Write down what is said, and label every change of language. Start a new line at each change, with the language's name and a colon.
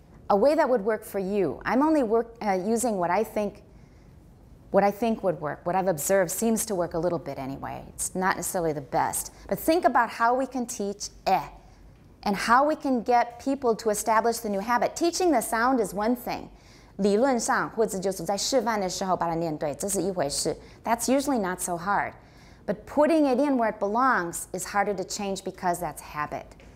English: A way that would work for you. I'm only using what I think would work. What I've observed seems to work a little bit anyway. It's not necessarily the best. But think about how we can teach eh, and how we can get people to establish the new habit. Teaching the sound is one thing.
Chinese: 理论上或者就是在示范的时候把它念对，这是一回事.
English: That's usually not so hard. But putting it in where it belongs is harder to change because that's habit.